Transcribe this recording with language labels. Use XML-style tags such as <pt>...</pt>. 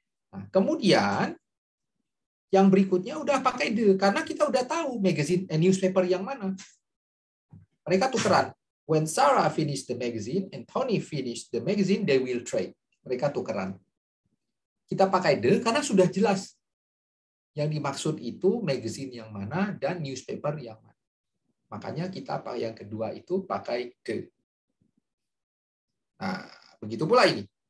<id>Nah, kemudian yang berikutnya udah pakai the, karena kita udah tahu</id> <en>magazine and newspaper</en> <id>yang mana. Mereka tukeran.</id> <en>When Sarah finish the magazine and Tony finish the magazine, they will trade.</en> <id>Mereka tukeran. Kita pakai the karena sudah jelas yang dimaksud itu magazine yang mana dan newspaper yang mana. Makanya kita pakai yang kedua itu pakai the. Nah, begitu pula ini.</id>